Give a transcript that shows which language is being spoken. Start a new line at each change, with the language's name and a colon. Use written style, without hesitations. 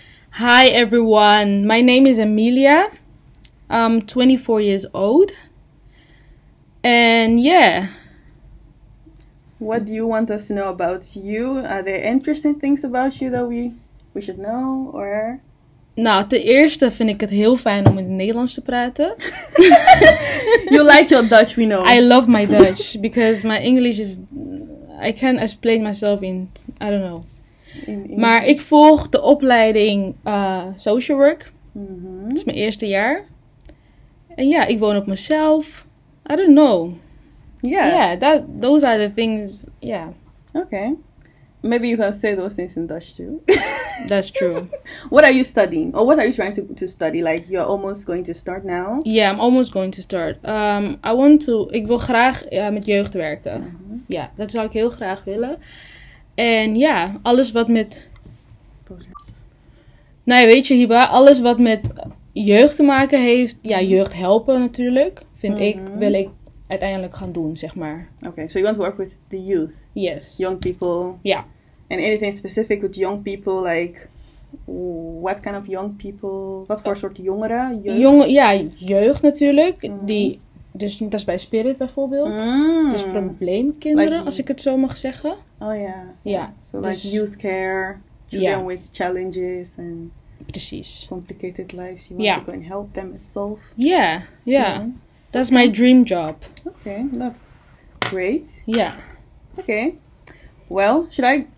English: Hi everyone. My name is Emilia. I'm 24 years old. And yeah. What do you want us to know about you? Are there interesting things about you that we should know, or?
Dutch: Nou, ten eerste vind ik het heel fijn om in het Nederlands te praten.
English: You like your Dutch, we know. I love my Dutch, because my English is... I can't explain myself in... I don't know.
Dutch: In maar ik volg de opleiding social work. Mm-hmm. Dat is mijn eerste jaar. En ja, ik woon op mezelf.
English: I don't know. Yeah. Yeah, that those are the things, yeah. Okay. Maybe you can say those things in Dutch too. That's true. What are you studying? Or what are you trying to study? Like, you're almost going to start now? Yeah, I'm almost going to start. I want to...
Dutch: Ik wil graag met jeugd werken. Uh-huh. Ja, dat zou ik heel graag willen. En ja, alles wat met... Nou ja, weet je, Hiba, alles wat met jeugd te maken heeft... Ja, jeugd helpen natuurlijk, vind uh-huh. ik, wil ik uiteindelijk gaan doen, zeg maar.
English: Okay, so you want to work with the youth? Yes. Young people? Yeah. And anything specific with young people, like, what kind of young people, what for
Dutch: soort jongeren? Jeugd natuurlijk, die, dus dat is bij Spirit bijvoorbeeld, dus probleemkinderen,
English: like,
Dutch: als ik het zo mag zeggen. Oh ja. Ja.
English: So like
Dutch: dus,
English: youth care, children with challenges and
Dutch: precies.
English: Complicated lives, you want to go and help them and solve. Yeah, that's my dream job. Okay, that's great. Yeah. Okay. Well, should I